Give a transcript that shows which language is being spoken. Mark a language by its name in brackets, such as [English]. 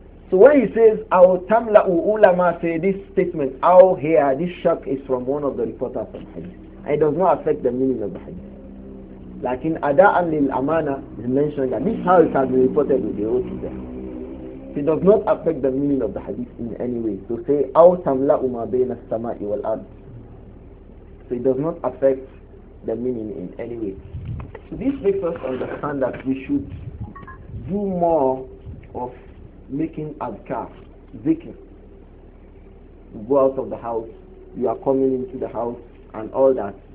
[English] So when he says, Aw tamla'u ulama, say this statement, Aw here, this shak is from one of the reporters of the hadith. And it does not affect the meaning of the hadith. Like in Ada'an lil Amana, he mentioned that this is how it has been reported with the old teacher. It does not affect the meaning of the hadith in any way. To say, [Arabic] أَوْ تَمْلَأُ مَا بَيْنَ السَّمَاءِ وَالْأَرْضِ. [English] So it does not affect the meaning in any way. So this makes us understand that we should do more of making adhkar, zikr. You go out of the house, you are coming into the house, and all that.